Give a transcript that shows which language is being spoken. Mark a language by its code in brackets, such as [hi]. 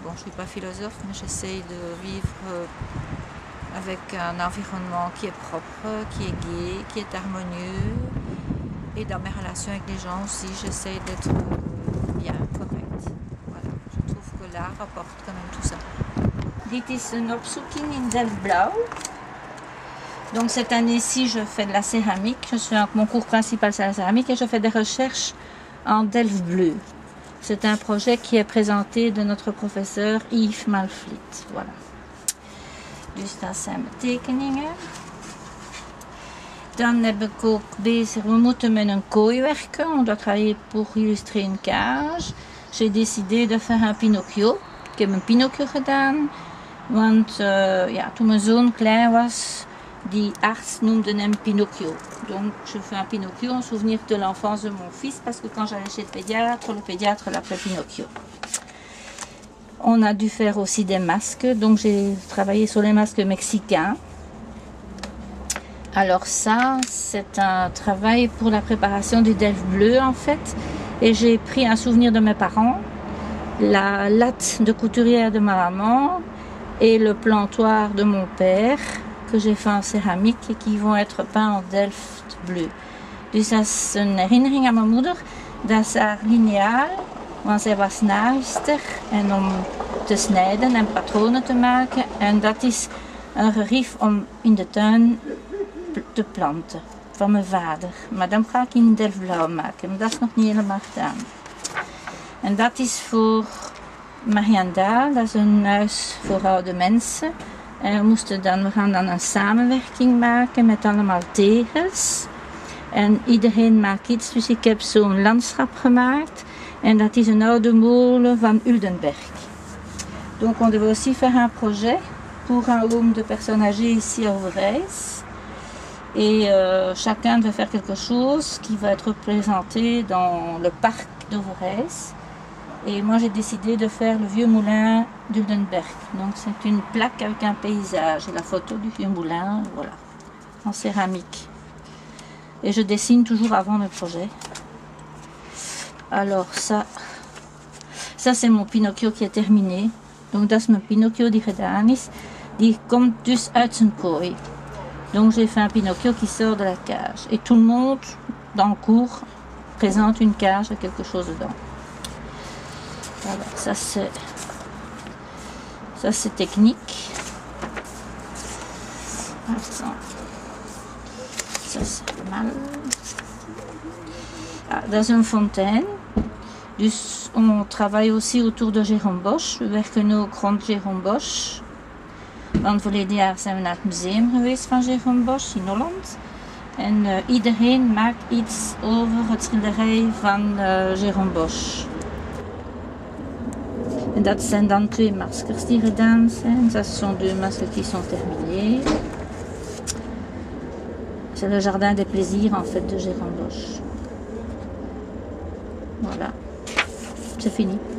[fr] Bon, je ne suis pas philosophe, mais j'essaye de vivre avec un environnement qui est propre, qui est gai, qui est harmonieux. Et dans mes relations avec les gens aussi, j'essaye d'être bien, correcte. Voilà, je trouve que l'art apporte quand même tout ça. [nl] Dit is een opzoeking in Delft Blauw. [fr] Donc cette année-ci, je fais de la céramique. Je suis mon cours principal, c'est la céramique, et je fais des recherches en Delft Bleu. C'est un projet qui est présenté de notre professeur Yves Malflit. Voilà. [nl] Dus dat zijn mijn tekeningen. Dan heb ik ook bezig, we moeten met een kooi werken. [fr] On doit travailler pour illustrer une cage. J'ai décidé de faire un Pinocchio. [nl] Ik heb een Pinocchio gedaan. Want ja, toen mijn zoon klein was, die arts noemde hem Pinocchio. [fr] Donc je fais un Pinocchio en souvenir de l'enfance de mon fils. Parce que quand j'allais chez le pédiatre l'appelait Pinocchio. On a dû faire aussi des masques. Donc j'ai travaillé sur les masques mexicains. Alors ça, c'est un travail pour la préparation du Delft Bleu en fait. Et j'ai pris un souvenir de mes parents, la latte de couturière de ma maman et le plantoir de mon père que j'ai fait en céramique et qui vont être peints en Delft Bleu. [nl] Dus dat is een herinnering aan mijn moeder, dat is haar lineaal, want zij was naaister en om te snijden en patronen te maken. En dat is een gerief om in de tuin te planten. van mijn vader. Maar dan ga ik in Delvlauw maken, maar dat is nog niet helemaal gedaan. En dat is voor Mariandaal, dat is een huis voor oude mensen. En we gaan dan een samenwerking maken met allemaal tegels. En iedereen maakt iets, dus ik heb zo'n landschap gemaakt. En dat is een oude molen van Uldenberg. [fr] Donc on devait aussi faire un projet pour un home de personnes âgées ici à Overijs. Et chacun devait faire quelque chose qui va être présenté dans le parc d'Overijs. Et moi j'ai décidé de faire le vieux moulin d'Uldenberg. Donc c'est une plaque avec un paysage, la photo du vieux moulin, voilà, en céramique. Et je dessine toujours avant le projet. Alors ça c'est mon Pinocchio qui est terminé. [nl] Donc dat is mijn Pinocchio die gedaan is. Die komt dus uit zijn kooi. [fr] Donc j'ai fait un Pinocchio qui sort de la cage. Et tout le monde dans le cours présente une cage à quelque chose dedans. Alors ça c'est technique. Attends. Ça c'est mal. Ah, dans une fontaine. Dus on travaille aussi autour de Jérôme Bosch. [nl] We werken ook rond Jérôme Bosch. Want vorig jaar zijn we naar het museum geweest van Jérôme Bosch in Holland. En iedereen maakt iets over het schilderij van Jérôme Bosch. En dat zijn dan twee maskers die gedaan zijn. Dat zijn twee maskers die zijn terminés. [fr] C'est le jardin des plaisirs en fait de Jérôme Bosch. Voilà, c'est fini.